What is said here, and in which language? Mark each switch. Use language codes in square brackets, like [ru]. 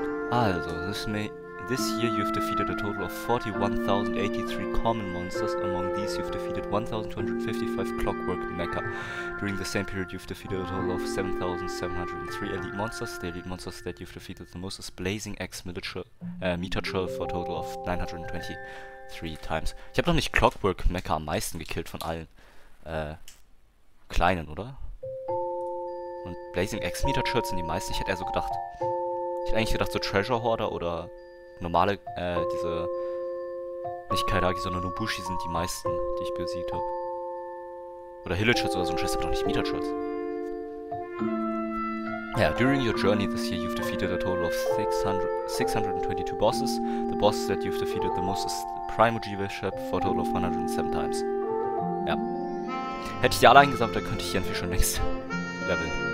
[en] Also, this year you've defeated a total of 41,083 common monsters. Among these you've defeated 1,255 Clockwork Mecha. During the same period you've defeated a total of 7,703 elite monsters. The elite monsters that you've defeated the most is Blazing Axe Mitachel for a total of 923 times. [de] Ich habe noch nicht Clockwork Mecha am meisten gekillt von allen kleinen, oder? Und Blazing Axe Mitachel sind die meisten. Ich hätte eher so gedacht. Ich hätte eigentlich gedacht, so Treasure Hoarder oder. Normale, diese. Nicht Kaidagi, sondern nur Bushi sind die meisten, die ich besiegt habe. Oder Hillichurz oder so ein Scheiß, aber doch nicht Mitachurz. [en] Ja, during your journey this year, you've defeated a total of 622 bosses. The boss that you've defeated the most is the Prime Ujibiship for a total of 107 times. [de] Ja. Hätte ich die alle eingesammelt, dann könnte ich hier schon längst leveln.